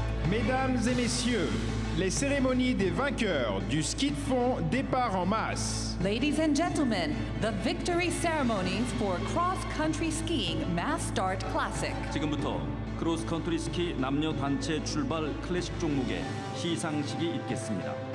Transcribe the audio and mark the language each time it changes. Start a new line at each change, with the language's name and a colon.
French: Mesdames et messieurs, les cérémonies des vainqueurs du ski de fond départ en masse.
English: Ladies and gentlemen, the victory ceremonies for cross-country skiing mass start classic.
Korean: 지금부터 크로스컨트리 스키 남녀 단체 출발 클래식 종목의 시상식이 있겠습니다.